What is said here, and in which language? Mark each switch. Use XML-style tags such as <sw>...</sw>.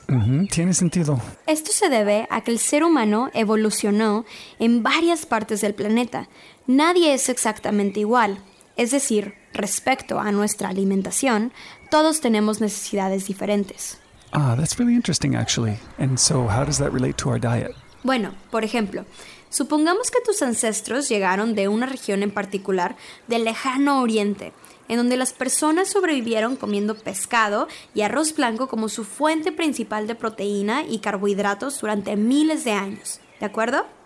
<es>Tiene sentido. Esto se debe a que el ser humano evolucionó en varias partes del planeta. Nadie es exactamente igual. Es decir, respecto a nuestra alimentación, todos tenemos necesidades diferentes.</es> <en>Ah, that's really interesting, actually. And so, how does that relate to our diet?</en> <es>Bueno, por ejemplo, supongamos que tus ancestros llegaron de una región en particular del lejano oriente, en donde las personas sobrevivieron comiendo pescado y arroz blanco como su fuente principal de proteína y carbohidratos durante miles de años, ¿de acuerdo?</es>